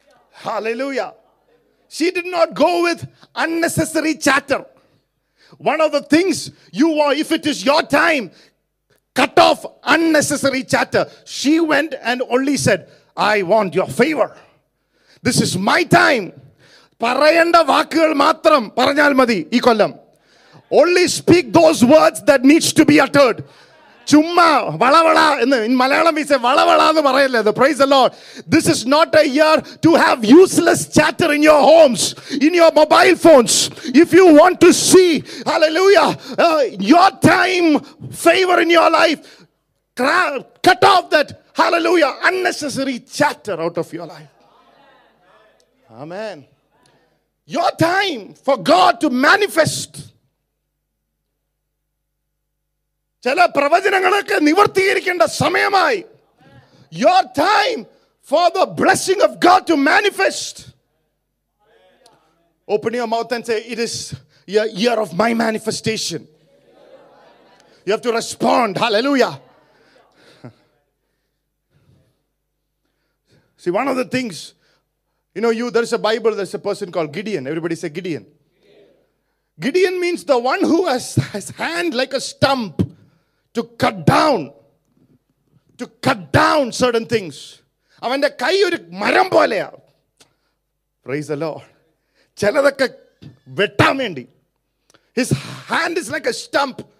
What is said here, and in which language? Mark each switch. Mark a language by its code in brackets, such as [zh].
[en] Hallelujah. She did not go with unnecessary chatter. One of the things you are, if it is your time, cut off unnecessary chatter. She went and only said, I want your favor. This is my time. [ml] പറയേണ്ട വാക്കുകൾ മാത്രം പറഞ്ഞാൽ മതി ഈ കൊല്ലം. [en] Only speak those words that needs to be uttered. [ml] Chumma vala vala ennu [en] in malayalam we say [ml] vala vala nu parayilla. [en] Praise the Lord. This is not a year to have useless chatter in your homes, in your mobile phones. If you want to see hallelujah your time favor in your life, cut off that hallelujah unnecessary chatter out of your life. Amen. Your time for God to manifest. [ml] ചില പ്രവചനങ്ങളൊക്കെ നിവർത്തീകരിക്കേണ്ട സമയമായി. [en] Your time for the blessing of God to manifest. Open your mouth and say it is your year of my manifestation. You have to respond. Hallelujah. See one of the things you know you there is a Bible there is a person called Gideon. Everybody say Gideon. Gideon means the one who has hand like a stump to cut down certain things. [ml] Avante kai oru maram poleya. [en] Praise the Lord. [ml] Chaladakka vettan vendi [en] his hand is like a stump.